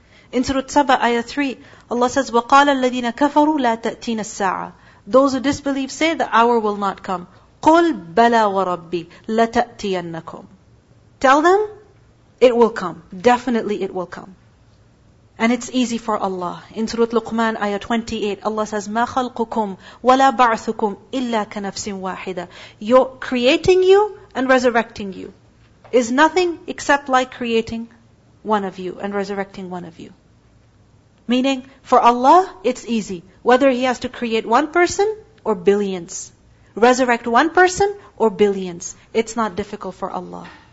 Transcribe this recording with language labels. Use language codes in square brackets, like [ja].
[en] In Surah Saba, Ayah 3, Allah says, [ar] وَقَالَ الَّذِينَ كَفَرُوا لَا تَأْتِينَ السَّاعَةَ. [en] Those who disbelieve say, the hour will not come. [ar] قُلْ بَلَا وَرَبِّي لَتَأْتِيَنَّكُمْ. [en] Tell them, it will come. Definitely it will come. And it's easy for Allah. In Surah Luqman, Ayah 28, Allah says, [ar] مَا خَلْقُكُمْ وَلَا بَعْثُكُمْ إِلَّا كَنَفْسٍ وَاحِدًا. [en] Your creating you and resurrecting you is nothing except like creating one of you and resurrecting one of you. Meaning, for Allah, it's easy. Whether He has to create one person or billions. Resurrect one person or billions. It's not difficult for Allah.